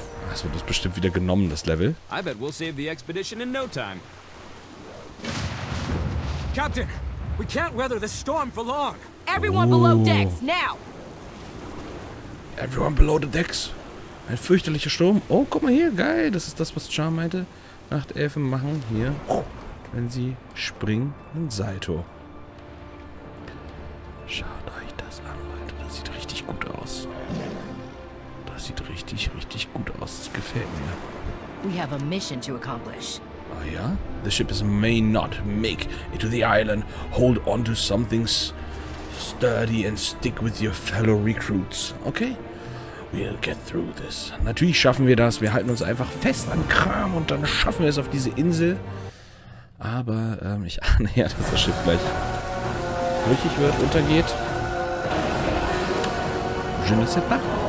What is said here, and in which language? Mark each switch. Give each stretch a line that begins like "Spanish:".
German: Das wird uns bestimmt wieder genommen, das Level.
English: I bet we'll save the expedition in no time. Captain! We can't weather this storm for long. Everyone below decks, now! Everyone below the decks.
German: Ein fürchterlicher Sturm. Oh, guck mal hier. Geil. Das ist das, was Char meinte. Nachtelfen machen hier, wenn sie springen, ein Salto. Schaut euch das an, Leute. Das sieht richtig gut aus. Das sieht richtig, richtig gut aus. Das gefällt mir.
English: We have a mission to accomplish.
German: Oh ja?
English: The ship is may not make it to the island. Hold on to something sturdy and stick with your fellow recruits. Okay? We'll get through this.
German: Natürlich schaffen wir das. Wir halten uns einfach fest an Kram und dann schaffen wir es auf diese Insel. Aber ich ahne ja, dass das Schiff gleich brüchig wird, untergeht.
French: Je ne sais pas.